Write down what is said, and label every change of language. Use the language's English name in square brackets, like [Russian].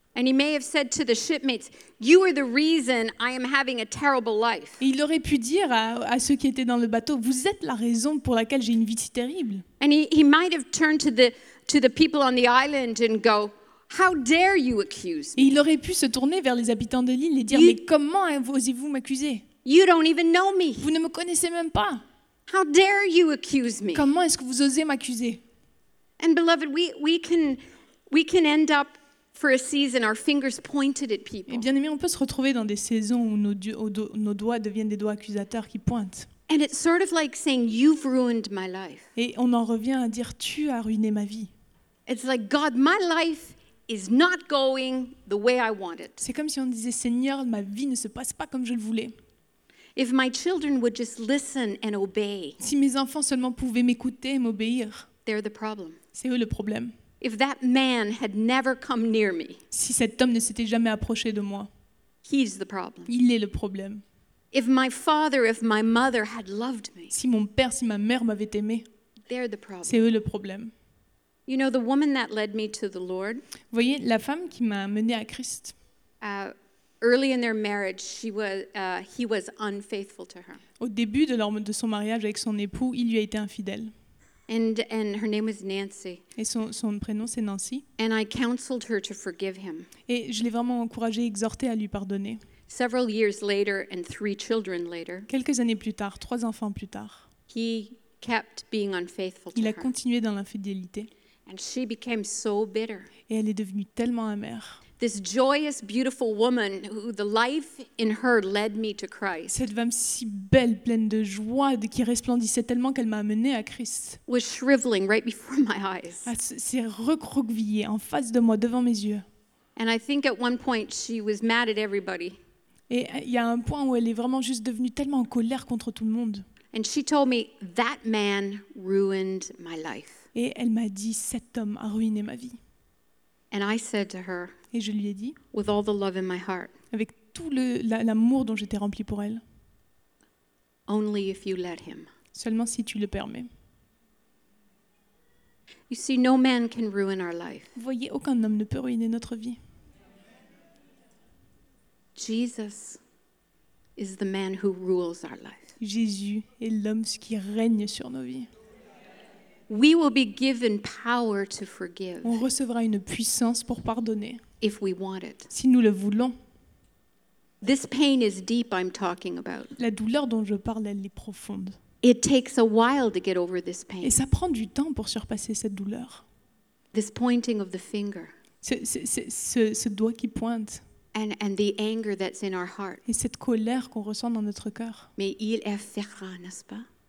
[English] And he may have said to the shipmates, you are the reason I am having a terrible life. [French] Et il aurait pu dire à ceux qui étaient dans le bateau, vous êtes la raison pour laquelle j'ai une vie si terrible. [English] And he might have turned to the people on the island and go, how dare you accuse me? [French] Et il aurait pu se tourner vers les habitants de l'île et dire, mais comment osez-vous m'accuser? [English] You don't even know me. [French] Vous ne me connaissez même pas. [English] How dare you accuse me? [French] Comment est-ce que vous osez m'accuser? [English] And beloved, we can end up for a season our fingers pointed at people. [French] Et bien aimé, on peut se retrouver dans des saisons où nos doigts deviennent des doigts accusateurs qui pointent. [English] And it's sort of like saying you've ruined my life. [French] Et on en revient à dire tu as ruiné ma vie. [English] It's like God, my life is not going the way I want it. [French] C'est comme si on disait Seigneur, ma vie ne se passe pas comme je le voulais. [English] If my children would just listen and obey. [French] Si mes enfants seulement pouvaient m'écouter et m'obéir. [English] They're the problem. [French] C'est eux le problème. [English] If that man had never come near me. [French] Si cet homme ne s'était jamais approché de moi. [English] He's the problem. [French] Il est le problème. [English] If my father, if my mother had loved me. [French] Si mon père, si ma mère m'avait aimé. [English] They're the problem. [French] C'est eux le problème. [English] You know the woman that led me to the Lord. [French] Vous voyez la femme qui m'a amené à Christ. [English] Early in their marriage, he was unfaithful to her. [French] Au début de son mariage avec son époux, il lui a été infidèle. [English] And her name was Nancy. [French] Et son prénom c'est Nancy. [English] And I counseled her to forgive him. [French] Et je l'ai vraiment encouragée, exhortée à lui pardonner. [English] Several years later, and three children later. [French] Quelques années plus tard, trois enfants plus tard. [English] He kept being unfaithful to her. [French] Il a continué dans l'infidélité. [English] And she became so bitter. [French] Et elle est devenue tellement amère. [English] This joyous, beautiful woman, who the life in her led me to Christ. [French] Cette femme si belle, pleine de joie, qui resplendissait tellement qu'elle m'a amenée à Christ. [English] Was shriveling right before my eyes. [French] S'est recroquevillée en face de moi, devant mes yeux. [English] And I think at one point she was mad at everybody. [French] Et il y a un point où elle est vraiment juste devenue tellement en colère contre tout le monde. [English] And she told me that man ruined my life. [French] Et elle m'a dit, cet homme a ruiné ma vie. [English] And I said to her, [French] et je lui ai dit, [English] with all the love in my heart, [French] avec tout l'amour dont j'étais remplie pour elle, [English] only if you let him. [French] Seulement si tu le permets. [English] You see, no man can ruin our life. [French] Vous voyez, aucun homme ne peut ruiner notre vie. [English] Jesus is the man who rules our life. [French] Jésus est l'homme qui règne sur nos vies. [English] We will be given power to forgive. [French] On recevra une puissance pour pardonner. [English] If we want it. [French] Si nous le voulons. [English] This pain is deep I'm talking about. [French] La douleur dont je parle, elle est profonde. [English] It takes a while to get over this pain. [French] Et ça prend du temps pour surpasser cette douleur. [English] This pointing of the finger. [French] Ce doigt qui pointe. [English] And the anger that's in our heart. [French] Et cette colère qu'on ressent dans notre cœur. Mais il est fera, n'est-ce pas?